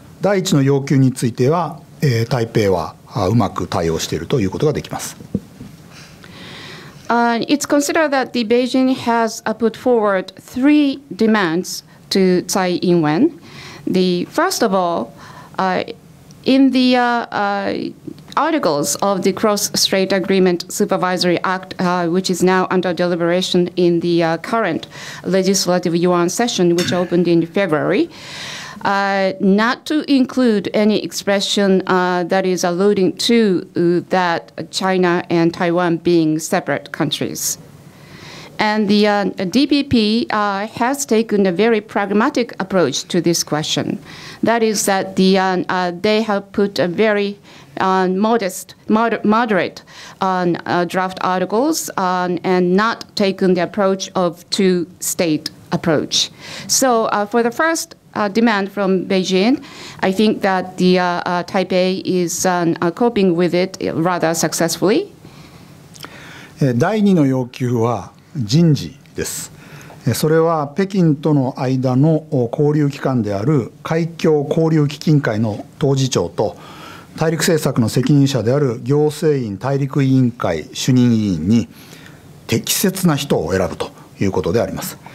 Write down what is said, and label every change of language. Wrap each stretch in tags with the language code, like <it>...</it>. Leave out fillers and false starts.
<ja>第一の要求については、台北はうまく対応しているということができます。</ja> <en>It's considered that the Beijing has put forward three demands to Tsai Ing-wen. The first of all, in the articles of the Cross-Strait Agreement Supervisory Act, which is now under deliberation in the current legislative yuan session, which opened in February, not to include any expression that is alluding to that China and Taiwan being separate countries. And the DPP has taken a very pragmatic approach to this question. That is that the, they have put a very moderate draft articles and not taken the approach of two-state approach. So for the first demand from Beijing, I think that the Taipei is coping with it rather successfully.</en> <ja>第二の要求は人事です。それは北京との間の交流機関である海峡交流基金会の当事長と大陸政策の責任者である行政院大陸委員会主任委員に適切な人を選ぶということであります。</ja>